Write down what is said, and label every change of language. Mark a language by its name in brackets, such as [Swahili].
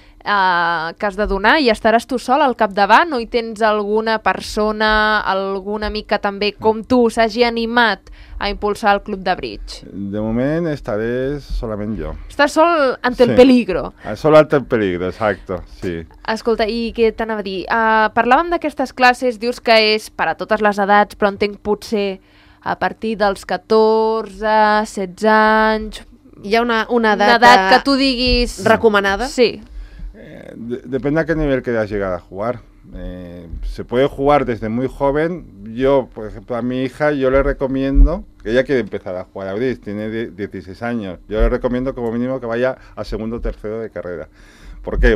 [Catalan] que has de donar i estaràs tu sol al capdavant, no hi tens alguna persona, alguna mica també com tu s'hagi animat a impulsar el club de bridge? De moment estaré solament jo. Estàs sol [Spanish] ante el peligro. Sol ante el peligro, exacto, sí. [Catalan] Escolta, i què t'anava a dir? Parlàvem d'aquestes classes, dius que és per a totes les edats, però entenc potser a partir dels 14, 16 anys... Hi ha una edat... Una edat que tu diguis... Recomanada? Sí. [Spanish] Depende a qué nivel quieras llegar a jugar. Se puede jugar desde muy joven. Yo, por ejemplo, a mi hija, yo le recomiendo, ella quiere empezar a jugar a bridge, tiene 16 años, yo le recomiendo como mínimo que vaya a segundo o tercero de carrera. ¿Por qué?